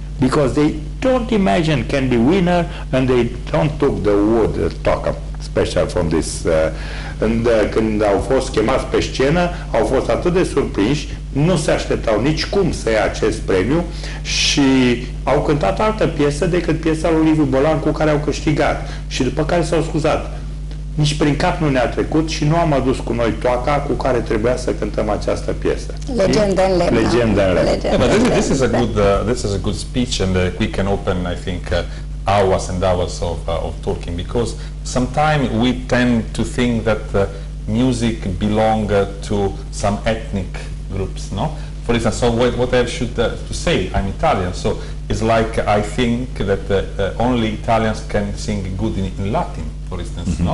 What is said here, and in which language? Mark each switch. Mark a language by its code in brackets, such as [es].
[en] Because they don't imagine can be winner and they don't took the wood token special from this. And [ro] când au fost chemați pe scenă, au fost atât de surprinși, nu se așteptau nici cum să ia acest premiu și au cântat altă piesă decât piesa lui Liviu Bolan cu care au câștigat și după care s-au scuzat. Nici prin cap nu ne-a trecut și nu am adus cu noi toaca cu care trebuia să cântăm această piesă. Legendă în lemn. [en] This is a good speech and we can open, I think, hours and hours of talking, because sometimes we tend to think that music belongs to some ethnic groups, no? For instance, so what I should to say, I'm Italian, so it's like I think that only Italians can sing good in Latin, for instance, mm-hmm. no?